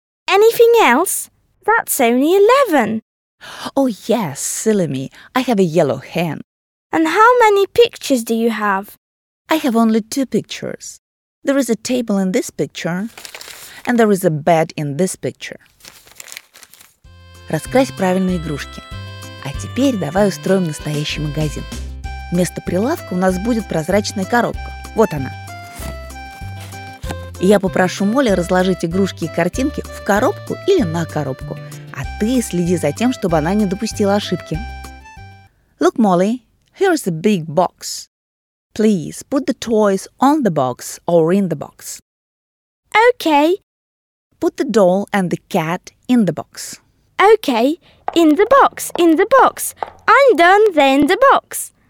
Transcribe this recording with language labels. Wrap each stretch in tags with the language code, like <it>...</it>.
<en>Anything else? That's only 11. Oh, yes, silly me. I have a yellow hen. And how many pictures do you have? I have only 2 pictures. There is a table in this picture, and there is a bed in this picture.</en> <ru>Раскрась правильные игрушки. А теперь давай устроим настоящий магазин. Вместо прилавка у нас будет прозрачная коробка. Вот она. Я попрошу Молли разложить игрушки и картинки в коробку или на коробку. А ты следи за тем, чтобы она не допустила ошибки.</ru> <en>Look, Molly, here's a big box. Please put the toys on the box or in the box. Okay. Put the doll and the cat in the box. Okay. In the box, in the box. I'm done, they're in the box.</en>